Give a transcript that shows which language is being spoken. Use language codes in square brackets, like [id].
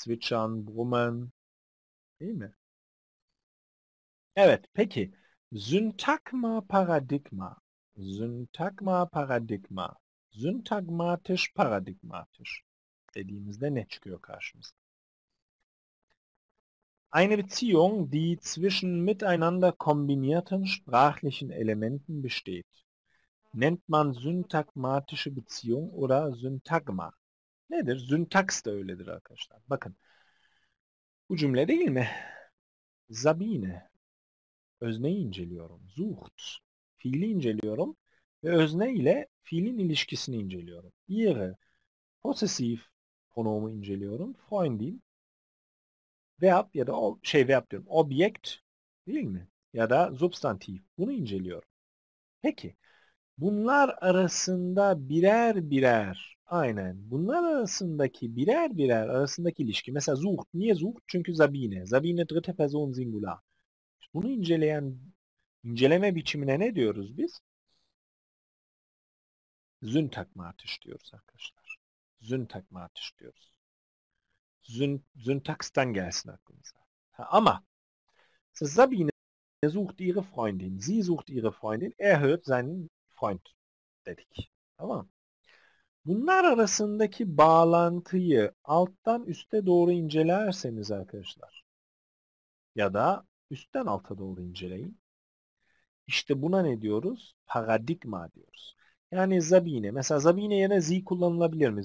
[de] Zwitschern, brummen. [tr] Değil mi? Evet. Peki. [de] Syntagma paradigma. Syntagma paradigma. Syntagmatisch paradigmatisch. [tr] Dediğimizde ne çıkıyor karşımıza? [de] Eine Beziehung, die zwischen miteinander kombinierten sprachlichen Elementen besteht, nennt man syntagmatische Beziehung oder Syntagma. [tr] Nedir? Syntaks da öyledir arkadaşlar. Bakın, bu cümle değil mi? Sabine, özneyi inceliyorum. Sucht, fiili inceliyorum. Ve özne ile fiilin ilişkisini inceliyorum. Ihre, possessiv konumu inceliyorum. Freundin. Verb ya da verb diyorum. Objekt değil mi? Ya da substantif. Bunu inceliyorum. Peki. Bunlar arasında birer birer. Aynen. Bunlar arasındaki birer birer arasındaki ilişki. [de] Mesela sucht. Niye sucht? [tr] Çünkü [de] Sabine. Sabine dritte Person singular. [tr] Bunu inceleyen, inceleme biçimine ne diyoruz biz? Syntagmatisch diyoruz arkadaşlar. Syntagmatisch diyoruz. Syntax'tan gelsin aklımıza. Ha, ama Sabine [de] sucht ihre Freundin. Sie sucht ihre Freundin. Er hört seinen Freund [tr] dedik. Tamam. Bunlar arasındaki bağlantıyı alttan üste doğru incelerseniz arkadaşlar ya da üstten alta doğru inceleyin. İşte buna ne diyoruz? Paradigma diyoruz. Yani Sabine. Mesela Sabine yerine sie kullanılabilir mi?